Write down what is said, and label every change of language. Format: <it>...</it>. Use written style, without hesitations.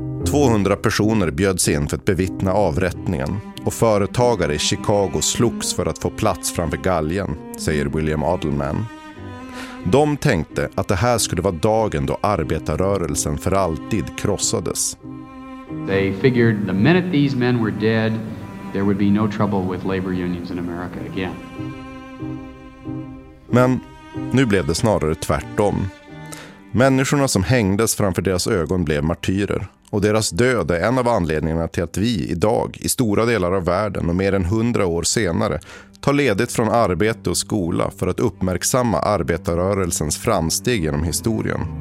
<sv>200 personer bjöds in för att bevittna avrättningen och företagare i Chicago slogs för att få plats framför galgen, säger William Adelman. De tänkte att det här skulle vara dagen då arbetarrörelsen för alltid krossades.</sv> <en>They figured the minute these men were dead, there would be no trouble with labor unions in America again.</en> <sv>Men nu blev det snarare tvärtom. Människorna som hängdes framför deras ögon blev martyrer. Och deras död är en av anledningarna till att vi idag, i stora delar av världen och mer än 100 år senare, tar ledigt från arbete och skola för att uppmärksamma arbetarrörelsens framsteg genom historien.</sv>